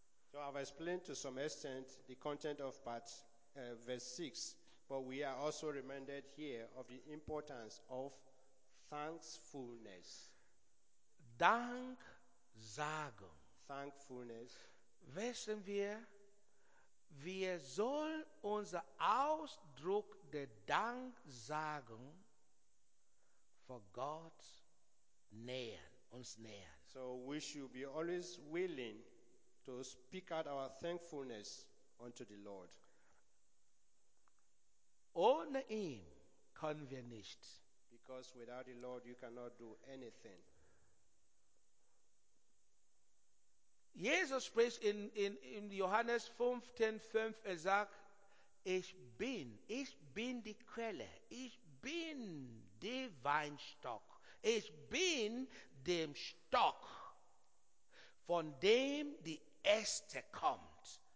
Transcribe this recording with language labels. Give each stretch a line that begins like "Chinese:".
English: So I've explained to some extent the content of part verse 6, but we are also reminded here of the importance of thankfulness.
German: Danksagung.
English: Thankfulness.
German: Wissen wir, wir sollen unser Ausdruck der Danksagung vor Gott nähern, uns nähern.
English: So we should be always willing to speak out our thankfulness unto the Lord.
German: Ohne ihn können wir nicht.
English: Because without the Lord you cannot do anything.
German: Jesus spricht in Johannes 15:5, er sagt, ich bin die Quelle, ich bin der Weinstock, ich bin dem Stock, von dem die Äste kommt.